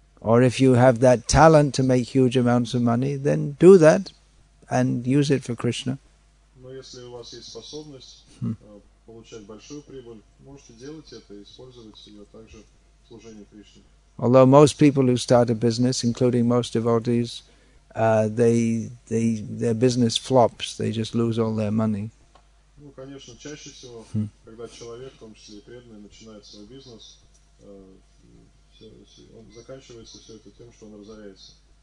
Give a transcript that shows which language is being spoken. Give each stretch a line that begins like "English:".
English: Or if you have that talent to make huge amounts of money, then do that and use it for Krishna.
Russian: Но если у вас есть способность получать большую прибыль, можете делать это и использовать ее также в служении Кришне.
English: Although most people who start a business, including most devotees, their business flops, they just lose all their money.
Russian: Ну, конечно, чаще всего, когда человек, в том числе и преданный, начинает свой бизнес, он заканчивается все это тем, что он разоряется.